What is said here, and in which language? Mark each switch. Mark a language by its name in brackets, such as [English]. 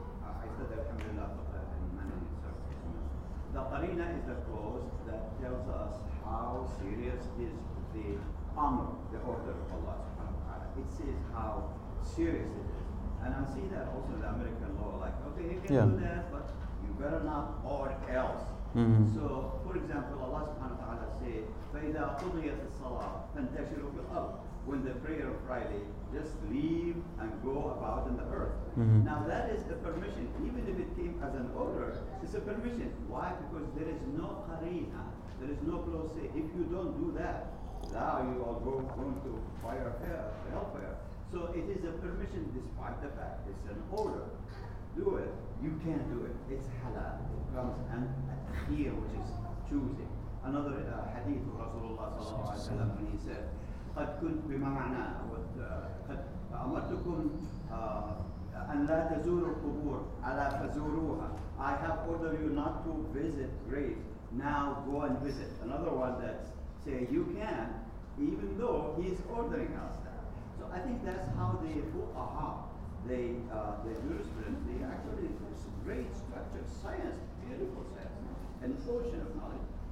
[English] I said alhamdulillah in the qarina is the clause that tells us how serious is the honor, the order of Allah subhanahu wa ta'ala. It says how serious it is. And I see that also in the American law, like, okay, you can do that, but you better not, or else. Mm-hmm. So, for example, Allah subhanahu wa ta'ala said, [Arabic] فإذا قضيت الصلاة تنتشر في الأرض. [English] When the prayer of Friday, just leave and go about in the earth. Mm-hmm. Now that is a permission, even if it came as an order, it's a permission. Why? Because there is no karina, there is no close. If you don't do that, now you are going to fire hellfire. So it is a permission despite the fact it's an order. Do it, you can do it. It's halal, it comes and here, which is choosing. Another hadith of Rasulullah sallallahu alayhi wa sallam, when he said, [Arabic] قد كنت بمعنى قد أمرتكم أن لا تزوروا القبور على فزوروها. [English] I have ordered you not to visit graves. Now go and visit. Another one that say you can, even though he is ordering us that. So I think that's how the fuqaha, the jurisprudence, they actually it's great structure, science, beautiful science, an ocean of knowledge.